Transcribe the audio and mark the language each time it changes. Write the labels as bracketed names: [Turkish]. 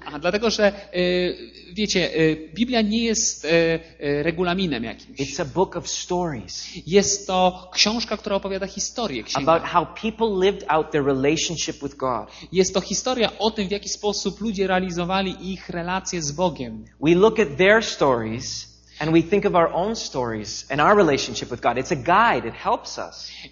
[Polish] A dlatego, że wiecie, Biblia nie jest regulaminem jakimś. [English] It's a book of stories. [Polish] Jest to książka, która opowiada historię, księga. [English] About how people lived out their relationship with God. [Polish] Jest to historia o tym, w jaki sposób ludzie realizowali ich relacje z Bogiem. [English] We look at their stories. And we think of our own stories and our relationship with God. It's a guide. It helps us.